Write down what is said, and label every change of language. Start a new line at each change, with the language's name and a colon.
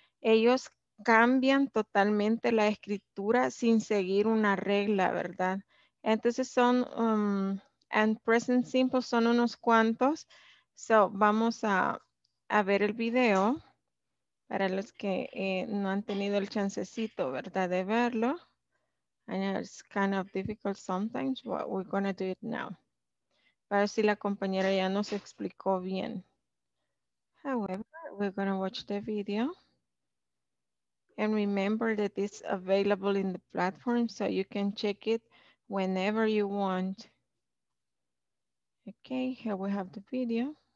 Spanish: Ellos cambian totalmente la escritura sin seguir una regla, ¿verdad? Entonces son, and present simple son unos cuantos. So, vamos a ver el video para los que no han tenido el chancecito, ¿verdad?, de verlo.
English: And it's kind of difficult sometimes, but we're going to do it now.
Spanish: Para ver si la compañera ya nos explicó bien.
English: However, we're going to watch the video. And remember that it's available in the platform, so you can check it whenever you want. Okay, here we have the video.